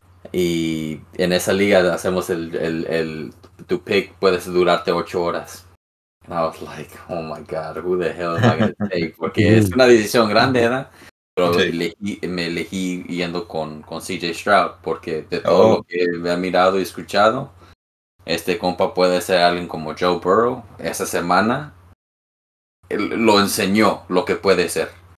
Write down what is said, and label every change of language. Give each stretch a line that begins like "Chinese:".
Spanish: Y en esa liga hacemos el tu pick puede durarte 8 horas.
English: And I was like, oh my god, who the hell am I going to take?
Spanish: Porque es una decisión grande, ¿verdad? Pero me elegí yendo con CJ Stroud porque de todo lo que he mirado y escuchado, este compa puede ser alguien como Joe Burrow. Esa semana lo enseñó lo que puede ser.